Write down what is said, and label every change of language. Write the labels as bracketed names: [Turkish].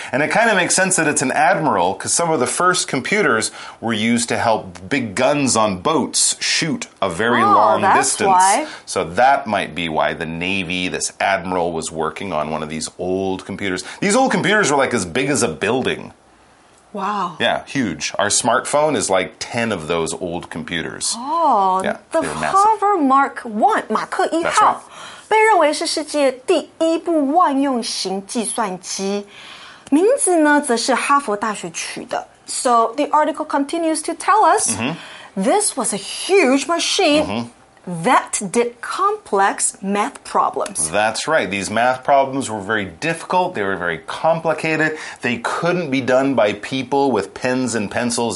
[English] And it kind of makes sense that it's an admiral, because some of the first computers were used to help big guns on boats shoot a very long distance. Why. So that might be why the Navy, this admiral, was working on one of these old computers. These old computers were like as big as a building. Wow. Yeah, huge. Our smartphone is like 10 of those old computers. Oh, yeah, the Harvard Mark I, 马克一号、 right. [Chinese] 被认为是世界第一部万用型计算机。名字呢则是哈佛大学取的。 [English] So the article continues to tell us, this was a huge machine that did complex math problems. That's right. These math problems were very difficult. They were very complicated. They couldn't be done by people with pens and pencils.